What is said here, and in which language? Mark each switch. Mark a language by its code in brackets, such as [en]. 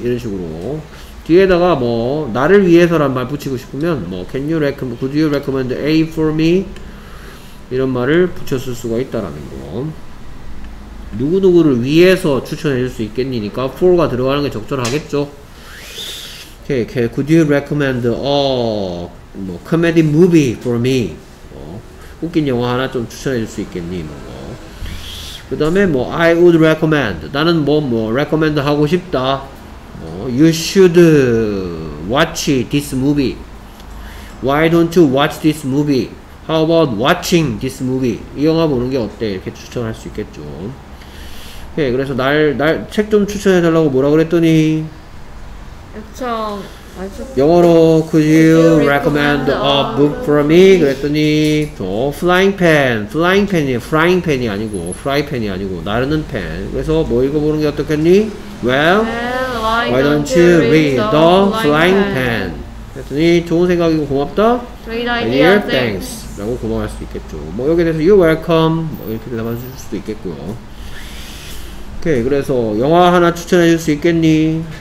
[ko] 이런 식으로 뒤에다가 뭐 나를 위해서란 말 붙이고 싶으면 뭐 [en] Can you recommend, could you recommend a for me? [ko] 이런 말을 붙였을 수가 있다라는 거. 누구누구를 위해서 추천해 줄 수 있겠니니까 for가 들어가는 게 적절하겠죠. [en] Okay, could you recommend a 뭐, comedy movie for me? [ko] 뭐, 웃긴 영화 하나 좀 추천해 줄 수 있겠니? 뭐. 그 다음에 뭐 [en] I would recommend, [ko] 나는 뭐 recommend 하고 싶다. [en] 뭐, you should watch this movie. Why don't you watch this movie? How about watching this movie? [ko] 이 영화 보는 게 어때? 이렇게 추천할 수 있겠죠. 예, 그래서 날 책 좀 추천해 달라고 뭐라 그랬더니 애청 영어로 [en] could you recommend a book for me? [ko] 그랬더니 또 프라이팬이 아니고 나르는 팬. 그래서 뭐 읽어보는 게 어떻겠니? [en] Well, why don't you read the flying pan? [ko] 그랬더니 좋은 생각이고 고맙다. [en] Great idea, thanks. [ko] 라고 고마워할 수 있겠죠. 뭐 여기에 대해서 [en] you're welcome [ko] 뭐 이렇게 대답해 줄 수도 있겠고요. 오케이, 그래서 영화 하나 추천해 줄 수 있겠니?